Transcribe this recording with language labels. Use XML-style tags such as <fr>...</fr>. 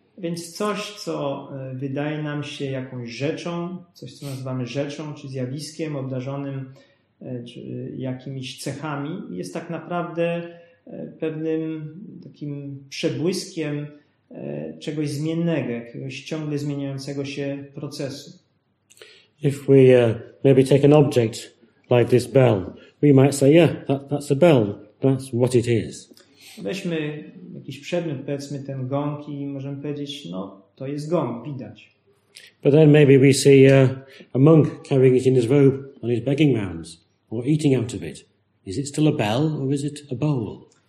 <pl>Więc coś, co wydaje nam się jakąś rzeczą, coś, co nazywamy rzeczą, czy zjawiskiem obdarzonym czy jakimiś cechami, jest tak naprawdę pewnym takim przebłyskiem czegoś zmiennego, jakiegoś ciągle zmieniającego się procesu.</pl> <en>If we maybe take an object like this bell, we might say, yeah, that's a bell. That's what it is.</en> <pl>Weźmy jakiś przedmiot, powiedzmy ten gong i możemy powiedzieć, no, to jest gong, widać.</pl> <en>But then maybe we see a monk carrying it in his robe on his begging rounds or eating out of it. Is it still a bell or is it a bowl?</en>